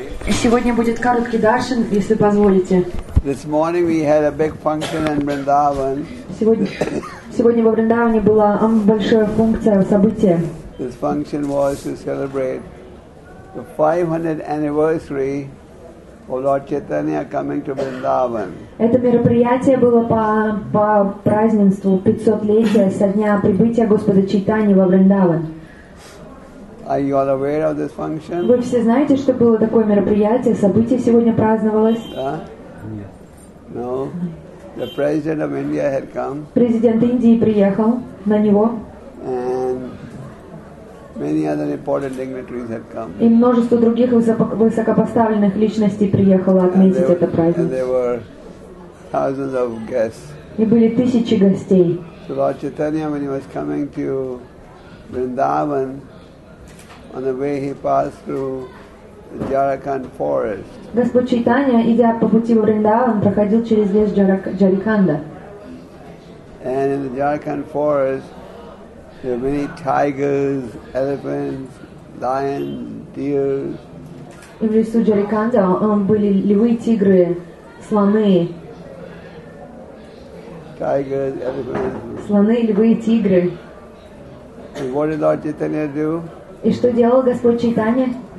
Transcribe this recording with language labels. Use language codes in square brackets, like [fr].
[ru] Сегодня будет короткий даршан, если позволите. Сегодня во Вриндаване была большая функция, событие. [en] This function was to celebrate the 500th anniversary of Lord Chaitanya coming to Vrindavan. [ru] Это мероприятие было по празднеству 500-летия со дня прибытия Господа Чайтаньи во Вриндаван. [en] Are you all aware of this function? [ru] Вы все знаете, что было такое мероприятие, событие сегодня праздновалось? Да? [en] No. The president of India had come. [ru] Президент Индии приехал на него. [en] And many other important dignitaries had come. [ru] И множество других высокопоставленных личностей приехало отметить это праздник. [en] And there were thousands of guests. [ru] И были тысячи гостей. [en] So Lord Chaitanya, when he was coming to Vrindavan, on the way he passed through the Jharkhand forest. [ru] Господь Чайтанья, идя по пути в Вриндаван, проходил через лес Джариканда. [en] And in the Jharkhand forest, there were many tigers, elephants, lions, deer. [ru] И в лесу Джариканда были львы, тигры, слоны. [en] Tigers, elephants. [ru] Слоны, львы, тигры. [en] And what did Lord Chaitanya do? [ru] И что делал Господь Чайтанья?